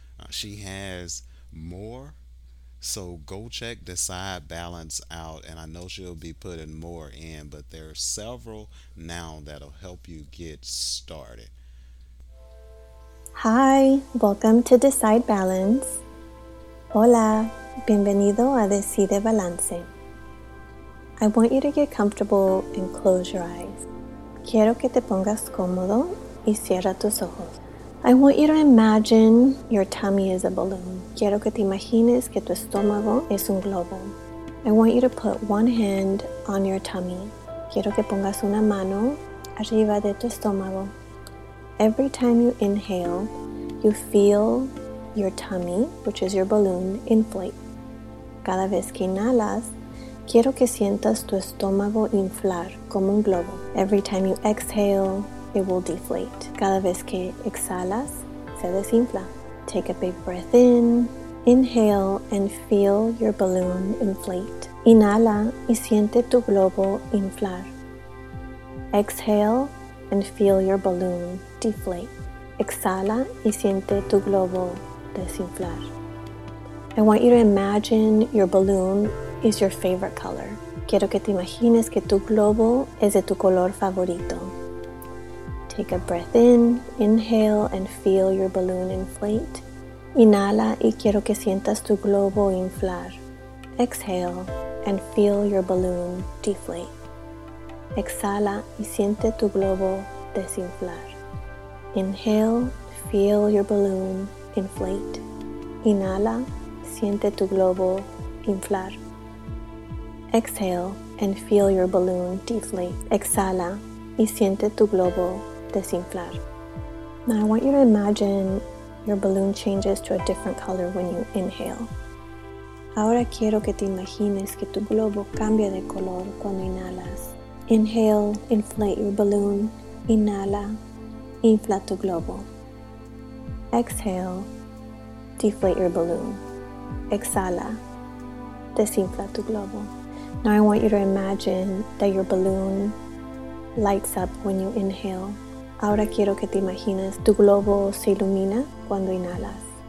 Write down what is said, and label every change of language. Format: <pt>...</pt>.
<en>She has more. So go check Decide Balance out, and I know she'll be putting more in, but there are several now that'll help you get started. Hi, welcome to Decide Balance.</en> <es>Hola, bienvenido a Decide Balance.</es> <en>I want you to get comfortable and close your eyes.</en> <es>Quiero que te pongas cómodo y cierra tus ojos.</es> <en>I want you to imagine your tummy is a balloon.</en> <es>Quiero que te imagines que tu estómago es un globo.</es> <en>I want you to put one hand on your tummy.</en> <es>Quiero que pongas una mano arriba de tu estómago.</es> <en>Every time you inhale, you feel your tummy, which is your balloon, inflate.</en> <es>Cada vez que inhalas, quiero que sientas tu estómago inflar como un globo.</es> <en>Every time you exhale, it will deflate.</en> <es>Cada vez que exhalas, se desinfla.</es> <en>Take a big breath in, inhale, and feel your balloon inflate.</en> <es>Inhala y siente tu globo inflar.</es> <en>Exhale and feel your balloon deflate.</en> <es>Exhala y siente tu globo desinflar.</es> <en>I want you to imagine your balloon is your favorite color.</en> <es>Quiero que te imagines que tu globo es de tu color favorito.</es> <en>Take a breath in, inhale, and feel your balloon inflate.</en> <es>Inhala y quiero que sientas tu globo inflar.</es> <en>Exhale and feel your balloon deflate.</en> <es>Exhala y siente tu globo desinflar.</es> <en>Inhale, feel your balloon inflate.</en> <es>Inhala, siente tu globo inflar.</es> <en>Exhale and feel your balloon deflate.</en> <es>Exhala y siente tu globo desinflar.</es> <en>Now I want you to imagine your balloon changes to a different color when you inhale.</en> <es>Ahora quiero que te imagines que tu globo cambia de color cuando inhalas.</es> <en>Inhale, inflate your balloon.</en> <es>Inhala, infla tu globo.</es> <en>Exhale, deflate your balloon.</en> <es>Exhala, desinfla tu globo.</es> <en>Now I want you to imagine that your balloon lights up when you inhale.</en> <es>Ahora quiero que te imagines tu globo se ilumina cuando inhalas.</es>